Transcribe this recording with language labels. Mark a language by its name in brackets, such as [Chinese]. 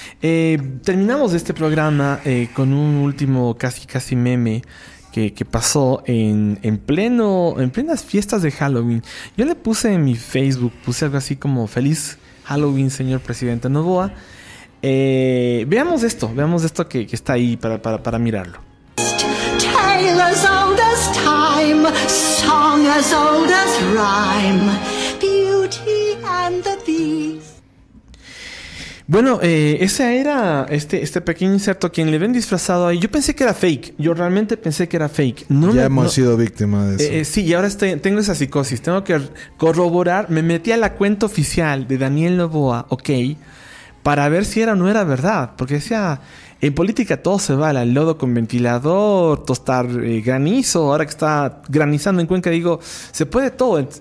[Spanish] Terminamos este programa con un último casi meme que pasó en plenas fiestas de Halloween. Yo le puse en mi Facebook, puse algo así como feliz Halloween, señor presidente Noboa. Veamos esto que está ahí para mirarlo. [English] Tale as old as time, song as old as rhyme, beauty and the beast. [Spanish] Bueno, ese era este pequeño inserto, quien le ven disfrazado ahí. Yo pensé que era fake, yo realmente pensé que era fake. Ya hemos sido víctima de eso. Sí, y ahora tengo esa psicosis, tengo que corroborar. Me metí a la cuenta oficial de Daniel Noboa, ok, para ver si era o no era verdad, porque decía, en política todo se vale, al lodo con ventilador, tostar granizo, ahora que está granizando en Cuenca, digo, se puede todo.